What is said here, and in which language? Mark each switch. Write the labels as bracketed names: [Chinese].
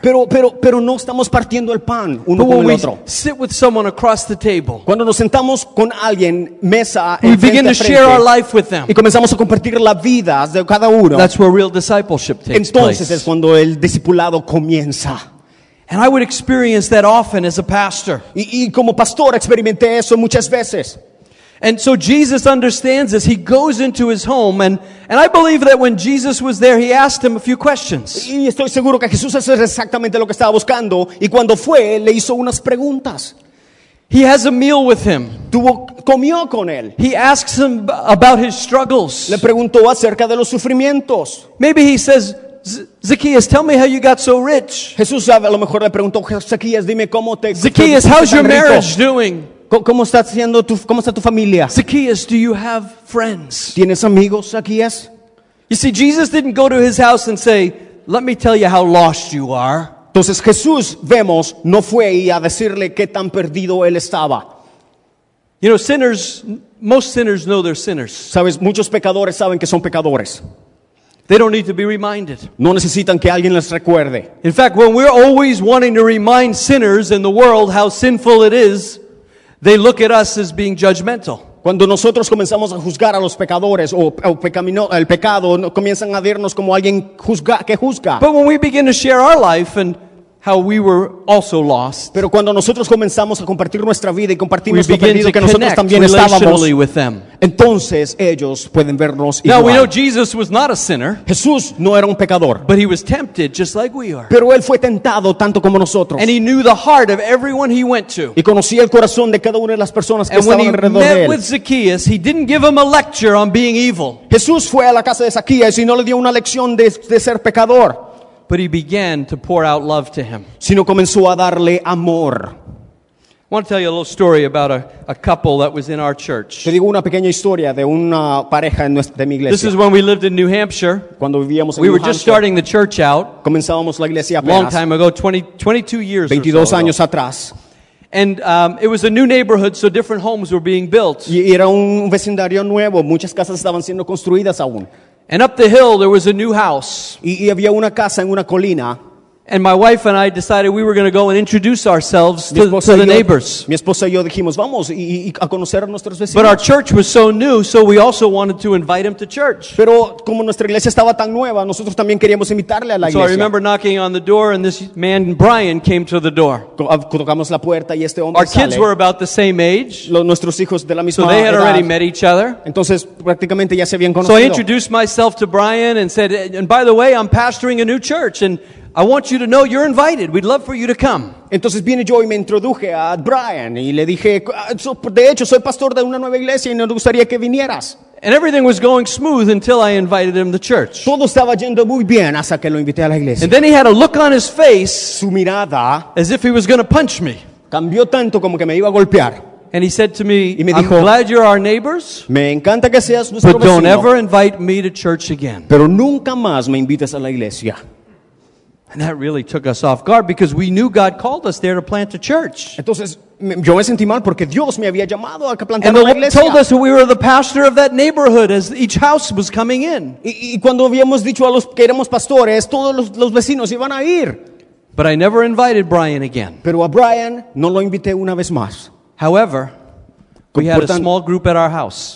[Spanish] Pero no estamos partiendo el pan uno con el otro. [English] Sit with someone across the table. [Spanish] Cuando nos sentamos con alguien mesa en frente. [English] We begin to share our life with them. [Spanish] Y comenzamos a compartir la vida de cada uno. [English] That's where real discipleship takes [Spanish] Entonces [English] place. [Spanish] Es cuando el discipulado comienza. [English] And I would experience that often as a pastor. [Spanish] Y como pastor experimenté eso muchas veces. [English] And so Jesus understands this. He goes into his home, and I believe that when Jesus was there, he asked him a few questions. [Spanish] Y estoy seguro que Jesús hace exactamente lo que estaba buscando, y cuando fue, le hizo unas preguntas. [English] He has a meal with him. [Spanish] Comió con él. [English] He asks him about his struggles. [Spanish] Le preguntó acerca de los sufrimientos. [English] Maybe he says, Zacchaeus, tell me how you got so rich. [Spanish] Jesús a lo mejor le preguntó, Zacchaeus, dime cómo te. [English] Zacchaeus, how's your marriage doing? [Spanish] ¿Cómo está tu familia? [English] Zacchaeus, do you have friends? [Spanish] ¿Tienes amigos, Zacchaeus? [English] You see, Jesus didn't go to his house and say, "Let me tell you how lost you are." [Spanish] Entonces Jesús vemos no fue y a decirle qué tan perdido él estaba. [English] You know, sinners, most sinners know they're sinners. [Spanish] Sabes, muchos pecadores saben que son pecadores. [English] They don't need to be reminded. [Spanish] No necesitan que alguien les recuerde. [English] In fact, when we're always wanting to remind sinners in the world how sinful it is, they look at us as being judgmental. [Spanish] Cuando nosotros comenzamos a juzgar a los pecadores o el pecado, comienzan a vernos como alguien que juzga. [English] But when we begin to share our life and how we were also lost, [Spanish] pero cuando nosotros comenzamos a compartir nuestra vida y compartimos lo perdido que nosotros también estábamos, entonces ellos pueden vernos igual. [English] Now we know Jesus was not a sinner. [Spanish] Jesús no era un pecador. [English] But he was tempted just like we are. [Spanish] Pero él fue tentado tanto como nosotros. [English] And he knew the heart of everyone he went to. [Spanish] Y conocía el corazón de cada una de las personas que estaban alrededor de él. [English] And when he met with Zacchaeus, he didn't give him a lecture on being evil. [Spanish] Jesús fue a la casa de Zacchaeus y no le dio una lección de ser pecador. [English] But he began to pour out love to him. [Spanish] Sino comenzó a darle amor. [English] I want to tell you a little story about a couple that was in our church. [Spanish] Te digo una pequeña historia de una pareja de mi iglesia. [English] This is when we lived in New Hampshire. [Spanish] Cuando vivíamos en [English] New We were just starting the church out. [Spanish] Comenzábamos la iglesia apenas. [English] Long time ago, 22 years. [Spanish] 22 [English] or so [Spanish] años [English] ago. [Spanish] Atrás. [English] And it was a new neighborhood, so different homes were being built. [Spanish] Y era un vecindario nuevo, muchas casas estaban siendo construidas aún. [English] And up the hill there was a new house. [Spanish] Y había una casa en una colina. [English] And my wife and I decided we were going to go and introduce ourselves to the neighbors. [Spanish] Mi esposa y yo dijimos, vamos y a conocer a nuestros vecinos. [English] But our church was so new, so we also wanted to invite him to church. [Spanish] Pero como nuestra iglesia estaba tan nueva, nosotros también queríamos invitarle a la iglesia. [English] So I remember knocking on the door and this man Brian came to the door. [Spanish] Tocamos la puerta y este hombre [English] our [Spanish] sale. [English] Our kids were about the same age. [Spanish] Nuestros hijos de la misma edad. [English] So they had [Spanish] edad. [English] Already met each other. [Spanish] Entonces prácticamente ya se habían conocido. [English] So I introduced myself to Brian and said, and by the way, I'm pastoring a new church and I want you to know you're invited. We'd love for you to come. [Spanish] Entonces vine yo y me introduje a Brian y le dije, de hecho soy pastor de una nueva iglesia y nos gustaría que vinieras. [English] And everything was going smooth until I invited him to church. [Spanish] Todo estaba yendo muy bien hasta que lo invité a la iglesia. [English] And then he had a look on his face, [Spanish] su mirada, [English] as if he was going to punch me. [Spanish] Cambió tanto como que me iba a golpear. [English] And he said to me, [Spanish] me dijo, [English] I'm glad you're our neighbors, [Spanish] me encanta que seas nuestro [English] but don't [Spanish] vecino. [English] Ever invite me to church again. [Spanish] Pero nunca más me invites a la iglesia. [English] And that really took us off guard because we knew God called us there to plant a church. [Spanish] Entonces, yo me sentí mal porque Dios me había llamado a plantar una iglesia. [English] And the Lord told us we were the pastor of that neighborhood as each house was coming in. [Spanish] Y cuando habíamos dicho a los que éramos pastores, todos los vecinos iban a ir. [English] But I never invited Brian again. [Spanish] Pero a Brian no lo invité una vez más. [English] However, we had a small group at our house.